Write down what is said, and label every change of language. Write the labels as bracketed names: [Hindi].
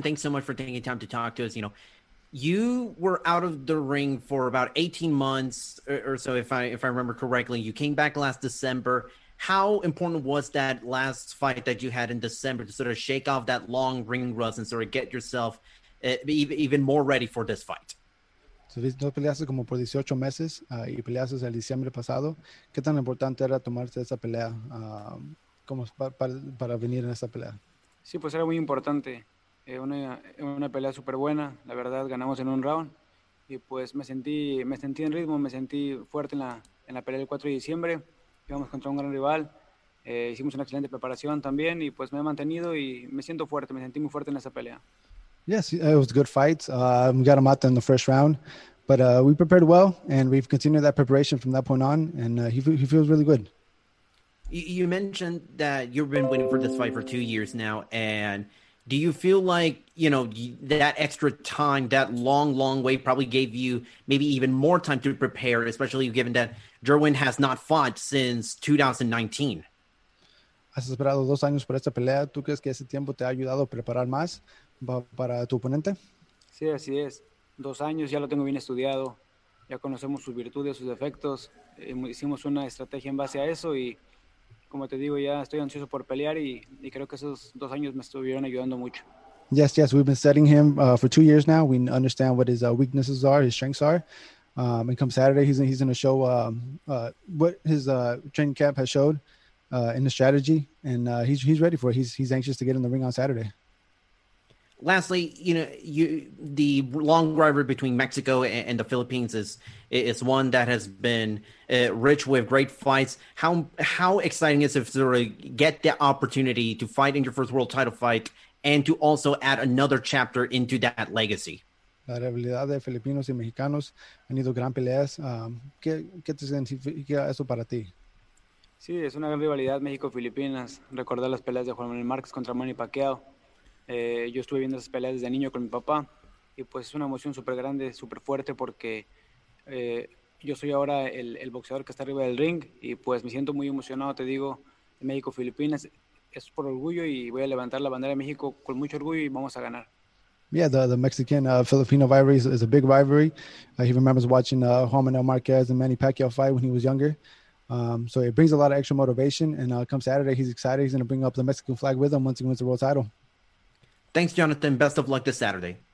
[English] Thanks so much for taking time to talk to us. You know, you were out of the ring for about 18 months or so, if I remember correctly. You came back last December. How important was that last fight that you had in December to sort of shake off that long ring rust and sort of get yourself even more ready for this fight? [Spanish] Tuviste peleaste como por 18 meses y peleaste el diciembre pasado. ¿Qué tan importante era tomarte esa pelea como para venir en esa pelea? Sí, pues era muy importante. Una pelea súper buena. La verdad, ganamos en un round. Y pues me sentí en ritmo, me sentí fuerte en la pelea del 4 de diciembre. Íbamos contra un gran rival. Hicimos una excelente preparación también. Y pues me he mantenido y me siento fuerte. Me sentí muy fuerte en esa pelea. [English] Yes, it was a good fight. We got him out there in the first round. But we prepared well. And we've continued that preparation from that point on. And he feels really good. You mentioned that you've been waiting for this fight for 2 years now. And do you feel like, you know, that extra time, that long, long wait probably gave you maybe even more time to prepare, especially given that Derwin has not fought since 2019? [Spanish] Has esperado 2 años por esta pelea. ¿Tú crees que ese tiempo te ha ayudado a preparar más para tu oponente? Sí, así es. 2 años, ya lo tengo bien estudiado. Ya conocemos sus virtudes, sus defectos. Hicimos una estrategia en base a eso y, como te digo, ya estoy ansioso por pelear y creo que esos 2 años me estuvieron ayudando mucho. [English] Yes, we've been studying him for 2 years now. We understand what his weaknesses are, his strengths are. And come Saturday, he's going to show what his training camp has showed in the strategy. And he's ready for it. He's anxious to get in the ring on Saturday. Lastly, you know, the long rivalry between Mexico and the Philippines is one that has been rich with great fights. How exciting is it to really get the opportunity to fight in your first world title fight and to also add another chapter into that legacy? [Spanish] La rivalidad de Filipinos y Mexicanos han ido gran peleas. ¿Qué te significa eso para ti? Sí, es una gran rivalidad México-Filipinas. Recordar las peleas de Juan Manuel Márquez contra Manny Pacquiao. Yo estuve viendo esas peleas desde niño con mi papá y pues es una emoción súper grande, súper fuerte porque yo soy ahora el boxeador que está arriba del ring y pues me siento muy emocionado, te digo, de México-Filipinas, es por orgullo y voy a levantar la bandera de México con mucho orgullo y vamos a ganar. [English] Yeah, the Mexican Filipino rivalry is a big rivalry. He remembers watching Juan Manuel Marquez and Manny Pacquiao fight when he was younger. So it brings a lot of extra motivation and come Saturday he's excited, he's going to bring up the Mexican flag with him once he wins the world title. Thanks, Jonathan. Best of luck this Saturday.